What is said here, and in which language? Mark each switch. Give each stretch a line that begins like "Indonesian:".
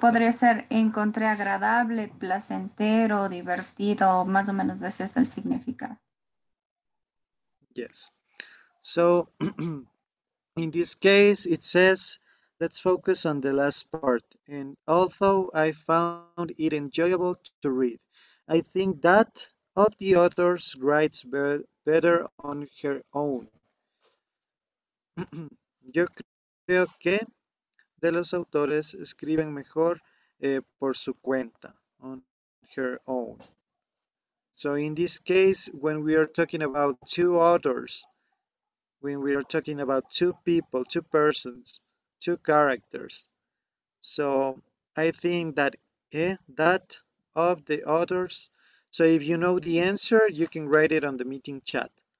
Spanish: Podría ser encontré agradable, placentero, divertido, más o menos ese es el significado.
English: Yes. So, in this case, it says, let's focus on the last part. And although I found it enjoyable to read. I think that of the authors writes better on her own.
Spanish: Yo creo que de los autores escriben mejor por su cuenta,
English: on her own. So in this case, when we are talking about two authors, when we are talking about two people, two persons, two characters, so I think that that of the authors. So if you know the answer, you can write it on the meeting chat.